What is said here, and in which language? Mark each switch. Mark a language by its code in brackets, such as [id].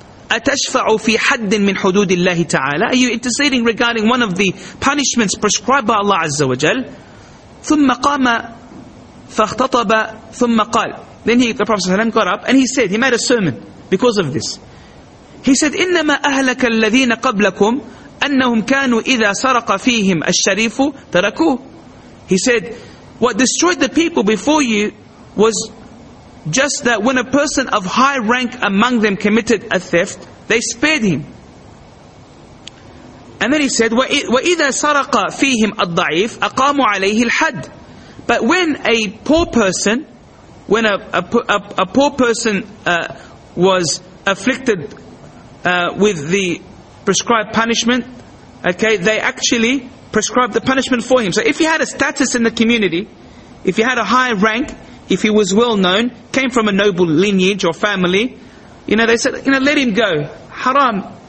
[ar] أَتَشْفَعُ فِي حَدٍ مِّنْ حُدُودِ اللَّهِ تَعَالَى. [en] Are you interceding regarding one of the punishments prescribed by Allah Azza wa Jal? [ar] ثُمَّ قَامَ فَاخْتَطَبَ ثُمَّ قَالَ. [en] Then he, the Prophet ﷺ got up and he said, he made a sermon because of this. He said, [ar] إِنَّمَا أَهْلَكَ الَّذِينَ قَبْلَكُمْ أَنَّهُمْ كَانُوا إِذَا سَرَقَ فِيهِمْ الشَّرِيفُ تَرَكُوهُ. [en] He said, what destroyed the people before you was just that when a person of high rank among them committed a theft, they spared him. And then he said, [ar] وَإِذَا سَرَقَ فِيهِمْ الضَّعِيفُ أَقَامُوا عَلَيْهِ الْحَدُ. [en] But when a poor person, when a poor person was afflicted with the prescribed punishment, okay, they actually prescribed the punishment for him. So if he had a status in the community, if he had a high rank, if he was well known, came from a noble lineage or family, you know, they said, you know, let him go. Haram.